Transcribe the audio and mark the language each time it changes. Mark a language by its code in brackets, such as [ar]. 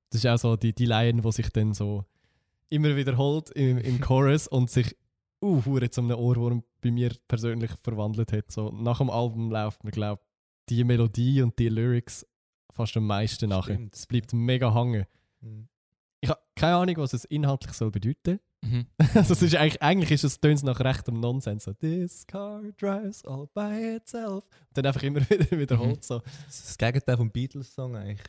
[de] Das ist auch so die Line, die sich dann so immer wiederholt im Chorus und sich jetzt um einen Ohrwurm bei mir persönlich verwandelt hat. So, nach dem Album läuft mir, glaube ich, die Melodie und die Lyrics fast am meisten nachher. Es bleibt mega hängen. Mhm. Ich habe keine Ahnung, was es inhaltlich soll bedeuten. Also es ist eigentlich ist es nach rechtem Nonsens. [en] So, this car drives all by itself. [de] Und dann einfach immer wieder wiederholt. So. Das Gegenteil vom Beatles-Song eigentlich.